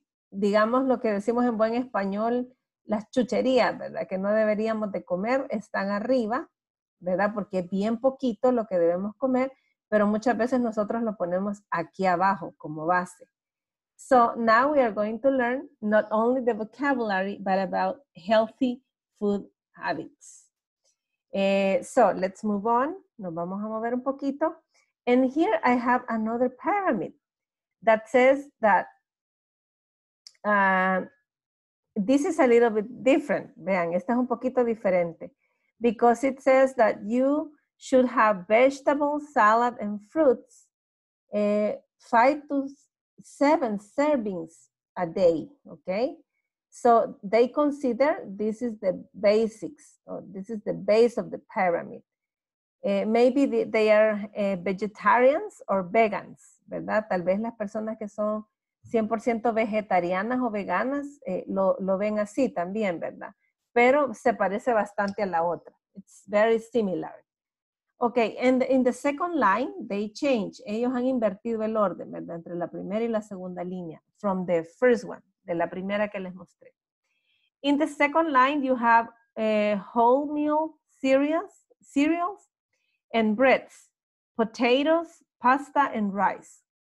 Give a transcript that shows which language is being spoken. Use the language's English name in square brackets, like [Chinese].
[Spanish] Digamos lo que decimos en buen español, las chucherías, ¿verdad? Que no deberíamos de comer, están arriba, ¿verdad? Porque es bien poquito lo que debemos comer, pero muchas veces nosotros lo ponemos aquí abajo como base. [English] So now we are going to learn not only the vocabulary, but about healthy food habits. So let's move on. [Spanish] Nos vamos a mover un poquito. [English] And here I have another pyramid that says that this is a little bit different. [Spanish] Vean, esta es un poquito diferente. [English] Because it says that you should have vegetables, salad, and fruits, 5 to 7 servings a day, okay? So they consider this is the basics, or this is the base of the pyramid. Maybe they are vegetarians or vegans, ¿verdad? [Spanish] Tal vez las personas que son 100% vegetarianas o veganas lo ven así también, ¿verdad? Pero se parece bastante a la otra. [English] It's very similar. Okay, and in the second line, they change. [Spanish] Ellos han invertido el orden, ¿verdad? Entre la primera y la segunda línea. [English] From the first one, [Spanish] de la primera que les mostré. [English] In the second line, you have wholemeal cereals and breads, potatoes, pasta, and rice.